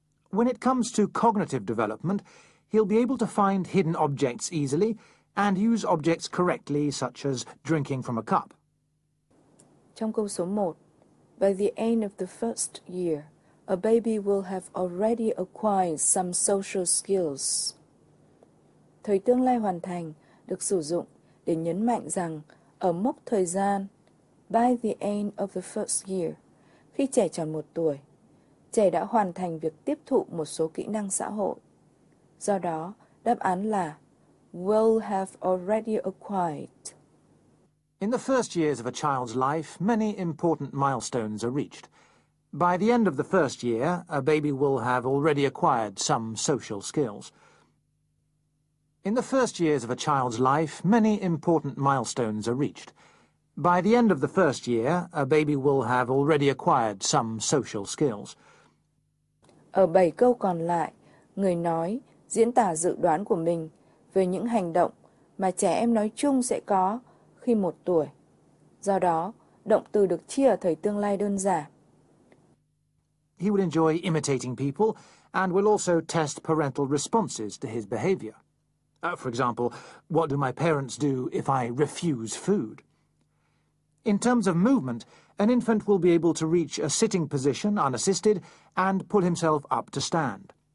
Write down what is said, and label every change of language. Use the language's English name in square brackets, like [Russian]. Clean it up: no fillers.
[English] When it comes to cognitive development, he'll be able to find hidden objects easily and use objects correctly, such as drinking from a cup. [Vietnamese] Trong câu số 1, [English] by the end of the first year, a baby will have already acquired some social skills. [Vietnamese] Thời tương lai hoàn thành được sử dụng để nhấn mạnh rằng ở mốc thời gian, [English] by the end of the first year, [Vietnamese] khi trẻ tròn một tuổi, trẻ đã hoàn thành việc tiếp thụ một số kỹ năng xã hội. Do đó, đáp án là [English] will have already acquired. In the first years of a child's life, many important milestones are reached. By the end of the first year, a baby will have already acquired some social skills. In the first years of a child's life, many important milestones are reached. By the end of the first year, a baby will have already acquired some social skills. [Vietnamese] Ở 7 câu còn lại, người nói diễn tả dự đoán của mình về những hành động mà trẻ em nói chung sẽ có khi một tuổi. Do đó, động từ được chia ở thời tương lai đơn giản. [English] He would enjoy imitating people and will also test parental responses to his behavior. For example, what do my parents do if I refuse food? In terms of movement, an infant will be able to reach a sitting position unassisted and pull himself up to stand.